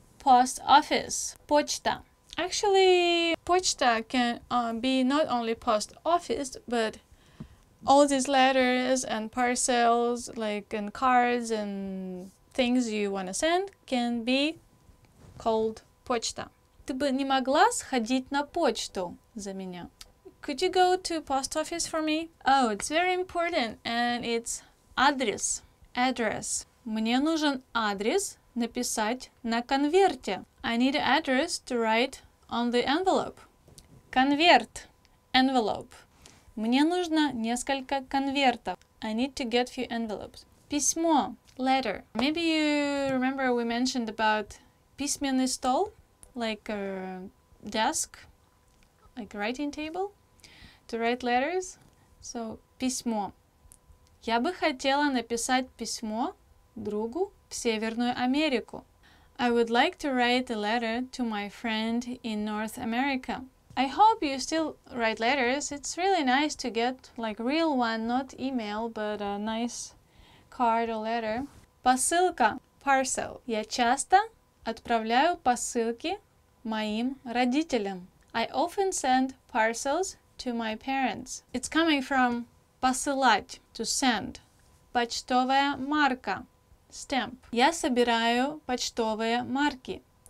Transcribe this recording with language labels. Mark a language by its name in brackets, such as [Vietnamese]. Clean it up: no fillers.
[English] Post office. Почта. Actually, почта can be not only post office, but all these letters and parcels, like and cards and things you want to send, can be called почта. [Russian] Ты бы не могла сходить на почту за меня? [English] Could you go to post office for me? Oh, it's very important, and it's адрес. Address. [Russian] Мне нужен адрес написать на конверте. [English] I need an address to write on the envelope. [Russian] Конверт. Envelope. Мне нужно несколько конвертов. [English] I need to get few envelopes. Письмо. Letter. Maybe you remember we mentioned about [Russian] письменный стол, [English] like a desk, like writing table, to write letters. So, письмо. [Russian] Я бы хотела написать письмо другу в Северную Америку. [English] I would like to write a letter to my friend in North America. I hope you still write letters. It's really nice to get like real one, not email, but a nice card or letter. [Russian] Посылка. Parcel. Я часто отправляю посылки моим родителям. [English] I often send parcels to my parents. It's coming from посылать, to send. [Russian] Почтовая марка. [English] Stamp. [Russian] Я собираю почтовые марки.